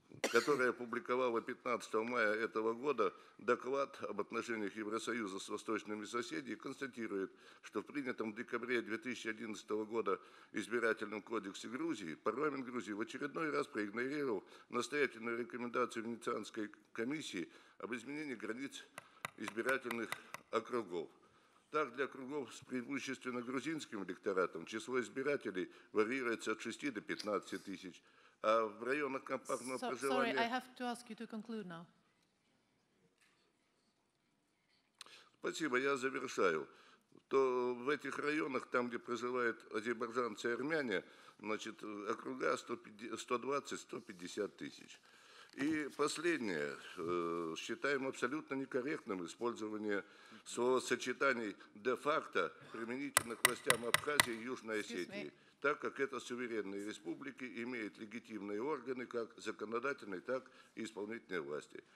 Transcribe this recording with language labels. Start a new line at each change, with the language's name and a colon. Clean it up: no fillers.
Russian: которая опубликовала 15 мая этого года доклад об отношениях Евросоюза с восточными соседями и констатирует, что в принятом в декабре 2011 года избирательном кодексе Грузии парламент Грузии в очередной раз проигнорировал настоятельную рекомендацию Венецианской комиссии об изменении границ избирательных округов. Так, для округов с преимущественно грузинским электоратом число избирателей варьируется от 6 до 15 тысяч.
English: Sorry, I have to ask you to conclude now.
Russian: Спасибо, я завершаю. То в этих районах, там, где проживают азербайджанцы и армяне, значит, округа 120-150 тысяч. И последнее, считаем абсолютно некорректным использование словосочетаний де-факто применительно к властям Абхазии и Южной Осетии, так как это суверенные республики, имеют легитимные органы, как законодательные, так и исполнительные власти.